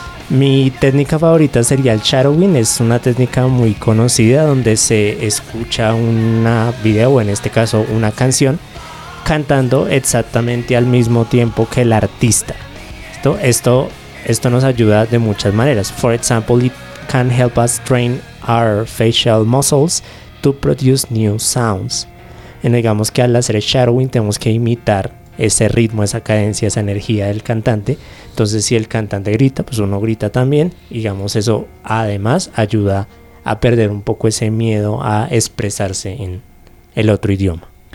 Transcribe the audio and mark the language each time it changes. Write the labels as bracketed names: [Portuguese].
[Spanish] Mi técnica favorita sería el shadowing. Es una técnica muy conocida donde se escucha un video, o en este caso una canción, cantando exactamente al mismo tiempo que el artista. Esto nos ayuda de muchas maneras. [English] For example, it can help us train our facial muscles to produce new sounds. [Spanish] Y digamos que al hacer shadowing tenemos que imitar ese ritmo, esa cadencia, esa energía del cantante. Entonces, si el cantante grita, pues uno grita también. Digamos, eso además ayuda a perder un poco ese miedo a expresarse en el otro idioma.